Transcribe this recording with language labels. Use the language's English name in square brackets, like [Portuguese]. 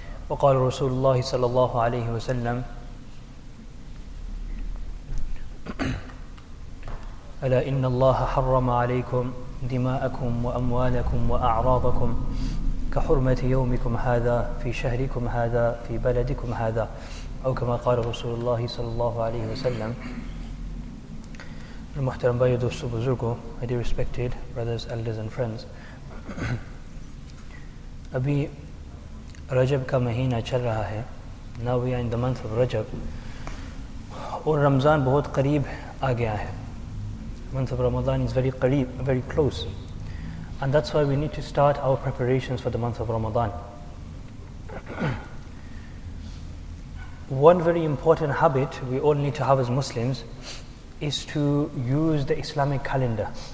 [Arabic] وقال رسول الله صلى الله عليه وسلم: ألا إن الله حرم عليكم دماءكم وأموالكم وأعراضكم كحرمة يومكم هذا في شهركم هذا في بلدكم هذا، أو كما قال رسول الله صلى الله عليه وسلم. [English] المحترم بايدو سبوزرغو، my dear respected brothers, elders and friends. [Urdu] أبي رجب کا مہینہ چل رہا ہے. [English] Now we are in the month of Rajab. [Urdu] اور رمضان بہت قریب آ گیا ہے. [English] Month of Ramadan is very qareeb, very close. And that's why we need to start our preparations for the month of Ramadan. One very important habit we all need to have as Muslims is to use the Islamic calendar.